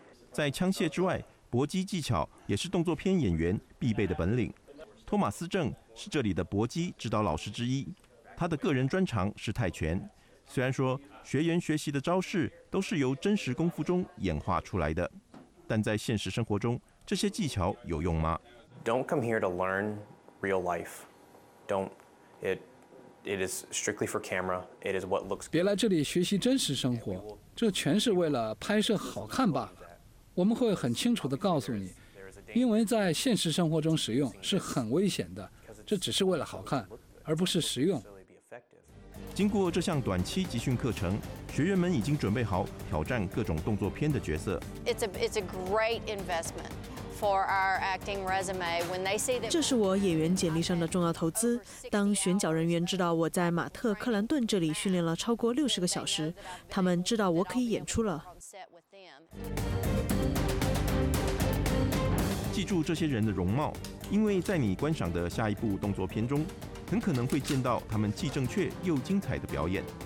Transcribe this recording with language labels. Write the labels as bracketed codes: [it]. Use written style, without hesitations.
[zh] 在枪械之外，搏击技巧也是动作片演员必备的本领。托马斯正是这里的搏击指导老师之一，他的个人专长是泰拳。虽然说学员学习的招式都是由真实功夫中演化出来的，但在现实生活中，这些技巧有用吗 [en] ？Don't come here to learn real life. Don't. It is strictly for camera. It is what looks. [zh] 别来这里学习真实生活，这全是为了拍摄好看罢了。我们会很清楚地告诉你。因为在现实生活中使用是很危险的，这只是为了好看，而不是实用。经过这项短期集训课程，学员们已经准备好挑战各种动作片的角色。 [en] It's a great investment for our acting resume when they see that. [zh] 这是我演员简历上的重要投资。当选角人员知道我在马特·克兰顿这里训练了超过60个小时，他们知道我可以演出了。记住这些人的容貌，因为在你观赏的下一部动作片中，很可能会见到他们既正确又精彩的表演。